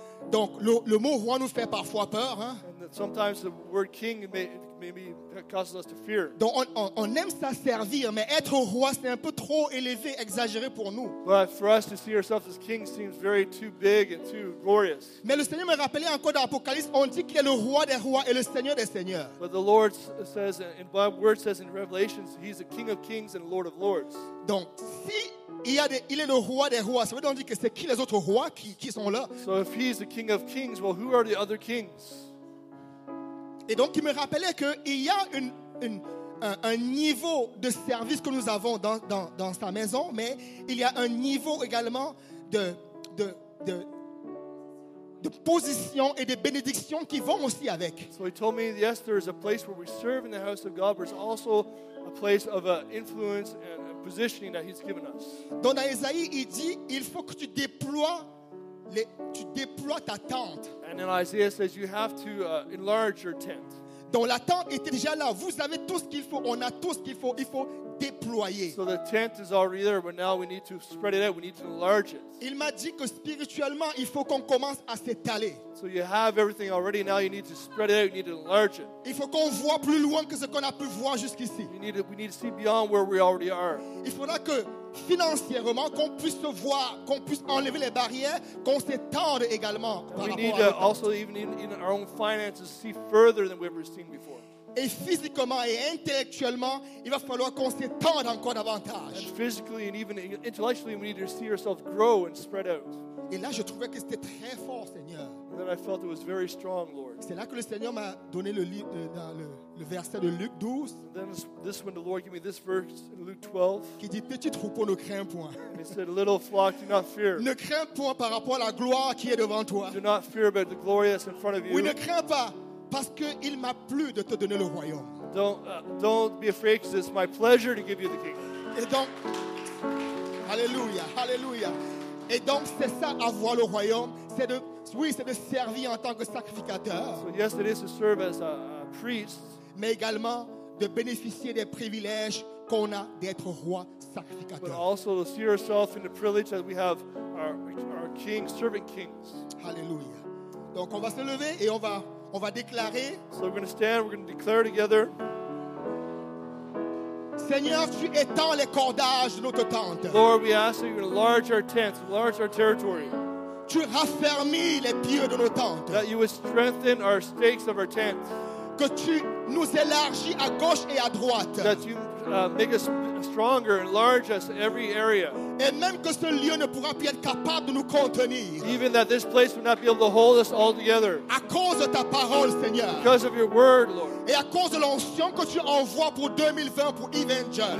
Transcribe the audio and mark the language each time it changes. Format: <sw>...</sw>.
<fr>Donc le mot roi nous fait parfois peur. Donc on aime ça servir, mais être roi, c'est un peu trop élevé, exagéré pour nous. Mais le Seigneur me rappelait encore dans l'Apocalypse, on dit qu'il est le roi des rois et le Seigneur des seigneurs.</fr> <en>But the Lord says, in Bible word says in Revelations, he's the King of Kings and Lord of Lords.</en> <fr>Donc si il est le roi des rois, ça veut dire que c'est qui les autres rois qui sont là?</fr> <en>So if he's the King of Kings, well, who are the other kings?</en> <fr>Et donc, il me rappelait qu'il y a un niveau de service que nous avons dans sa maison, mais il y a un niveau également de position et de bénédiction qui vont aussi avec.</fr> <en>So he told me, yes, there is a place where we serve in the house of God, but it's also a place of influence and positioning that he's given us.</en> <fr>Donc, dans Isaïe, il dit, il faut que tu déploies ta tente.</fr> <en>And then Isaiah says you have to enlarge your tent.</en> <fr>Donc la tente était déjà là. Vous avez tout ce qu'il faut. On a tout ce qu'il faut. Il faut déployer.</fr> <en>So the tent is already there, but now we need to spread it out. We need to enlarge it.</en> <fr>Il m'a dit que spirituellement, il faut qu'on commence à s'étaler.</fr> <en>So you have everything already. Now you need to spread it out. You need to enlarge it.</en> <fr>Il faut qu'on voit plus loin que ce qu'on a pu voir jusqu'ici.</fr> <en>We need to see beyond where we already are.</en> <fr>Il faudra que financièrement qu'on puisse se voir, qu'on puisse enlever les barrières, qu'on s'étende également.</fr> <en>We need to also even in our own finances see further than we've ever seen before.</en> <fr>Et physiquement et intellectuellement, il va falloir qu'on s'étende encore davantage.</fr> <en>And physically and even intellectually, we need to see ourselves grow and spread out.</en> <fr>Et là, je trouvais que c'était très fort, Seigneur.</fr> <en>And then I felt it was very strong, Lord.</en> <fr>C'est là que le Seigneur m'a donné le verset de Luc 12.</fr> <en>And then this one, the Lord gave me this verse in Luke 12.</en> <fr>Qui dit, petit troupeau, ne crains point.</fr> <en>And he said, little flock, do not fear.</en> <fr>Ne crains point par rapport à la gloire qui est devant toi.</fr> <en>Do not fear about the glory that's in front of you.</en> <fr>Oui, ne crains pas. Parce qu'il m'a plu de te donner le royaume.</fr> <en>Don't be afraid, because it's my pleasure to give you the kingdom.</en> <fr>Et donc, alléluia, alléluia. Et donc, c'est ça, avoir le royaume, c'est de servir en tant que sacrificateur.</fr> <en>So yes, it is to serve as a priest.</en> <fr>Mais également de bénéficier des privilèges qu'on a d'être roi sacrificateur.</fr> <en>But also to see yourself in the privilege that we have our king, servant kings.</en> <fr>Alléluia. Donc, on va se lever et on va déclarer.</fr> <en>So we're going to stand, we're going to declare together.</en> <fr>Seigneur, tu étends les cordages de notre tente.</fr> <en>Lord, we ask that you enlarge our tents, enlarge our territory.</en> <fr>Tu raffermis les pieux de nos tentes.</fr> <en>That you would strengthen our stakes of our tents.</en> <fr>Que tu nous élargis à gauche et à droite.</fr> <en>That you make us stronger, enlarge us every area.</en> <fr>Et même que ce lieu ne pourra plus être capable de nous contenir.</fr> <en>Even that this place will not be able to hold us all together.</en> <fr>À cause de ta parole, Seigneur.</fr> <en>Because of your word, Lord.</en> <fr>Et à cause de l'onction que tu envoies pour 2020 pour Evangel.</fr>